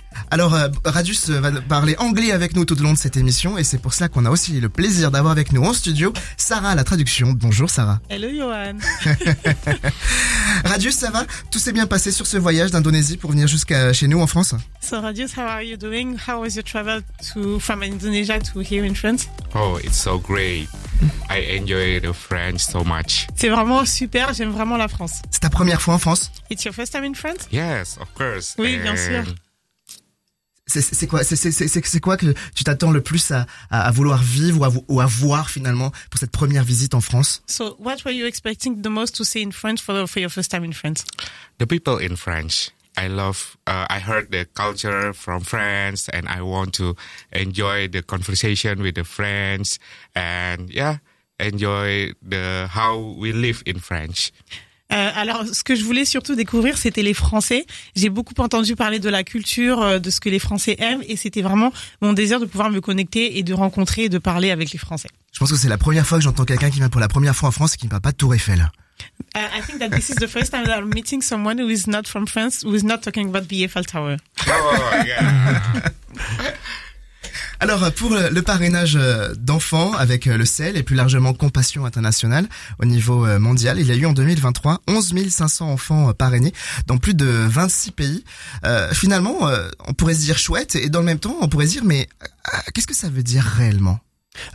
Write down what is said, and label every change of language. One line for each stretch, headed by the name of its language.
French: Alors, Radius va parler anglais avec nous tout au long de cette émission. Et c'est pour cela qu'on a aussi le plaisir d'avoir avec nous en studio Sarah, la traduction. Bonjour Sarah.
English: Hello Johan.
French: Radius, ça va? Tout s'est bien passé sur ce voyage d'Indonésie pour venir jusqu'à chez nous en France?
English: So Radius, how are you doing? How was your travel from Indonesia to here in France? Oh, it's so great. I enjoy the French so much.
French: C'est vraiment super, j'aime vraiment la France. C'est ta première fois en France?
English: It's your first time in France? Yes, of course.
French: Oui, bien sûr. C'est quoi que tu t'attends le plus à vouloir vivre ou à voir finalement pour cette première visite en France?
English: So what were you expecting the most to see in France for your first time in France? The people in French. I love. I heard the culture from France and I want to enjoy the conversation with the French and yeah, enjoy the how we live in France.
French: Alors, ce que je voulais surtout découvrir, c'était les Français. J'ai beaucoup entendu parler de la culture, de ce que les Français aiment, et c'était vraiment mon désir de pouvoir me connecter et de rencontrer et de parler avec les Français. Je pense que c'est la première fois que j'entends quelqu'un qui vient pour la première fois en France et qui ne parle pas de Tour Eiffel.
English: I think that this is the first time that I'm meeting someone who is not from France, who is not talking about the Eiffel Tower. Oh, yeah.
French: Alors, pour le parrainage d'enfants avec le CEL et plus largement Compassion Internationale au niveau mondial, il y a eu en 2023 11 500 enfants parrainés dans plus de 26 pays. Finalement, on pourrait se dire chouette et dans le même temps, on pourrait se dire mais qu'est-ce que ça veut dire réellement ?